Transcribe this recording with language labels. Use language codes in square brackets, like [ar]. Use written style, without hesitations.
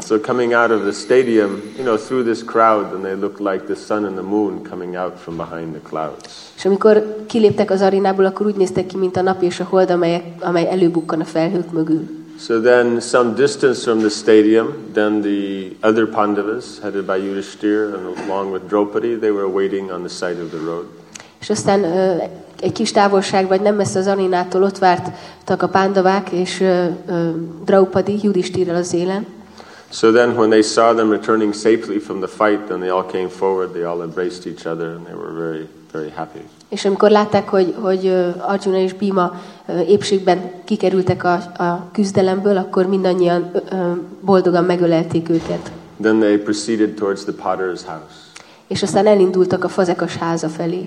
[en] So coming out of the stadium, you know, through this crowd, and they looked like the sun and the moon coming out from behind the clouds. [hu] És amikor kiléptek az arénából, akkor úgy néztek ki, mint a nap és a hold, amely előbukkan a felhők mögül. [en] So then some distance from the stadium, then the other Pandavas, headed by Yudhishthir and along with Draupadi, they were waiting on the side of the road. [hu] És aztán egy kis távolság, vagy nem messze az arénától ott vártak a Pándavák és Draupadi Yudhishthirrel az élen. [en] So then when they saw them returning safely from the fight, then they all came forward, they all embraced each other, and they were very, very happy. [hu] És amikor látták, hogy Arjuna és Bhima épségben kikerültek a küzdelemből, akkor mindannyian boldogan megölelték őket. [en] Then they proceeded towards the potter's house. [hu] És aztán elindultak a fazekas háza felé.